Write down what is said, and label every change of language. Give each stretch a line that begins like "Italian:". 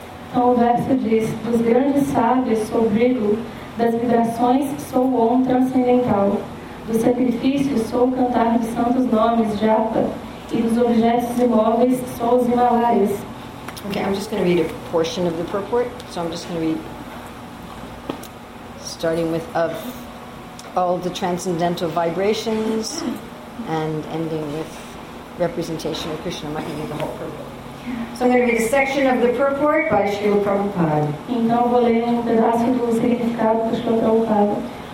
Portuguese: Então o verso diz: dos grandes sábios sou Bhrigu, das vibrações sou o Om transcendental, dos sacrifícios sou o cantar dos santos nomes Japa, e dos objetos imóveis sou os Himalayas.
English: Okay, I'm just going to read a portion of the purport. So I'm just going to read. Starting with of all the transcendental vibrations and ending with representation of Krishna. I might read the whole purport. So I'm going to read a section of the purport by Srila Prabhupada.
Portuguese: Então vou ler um pedaço do significado do Srila Prabhupada.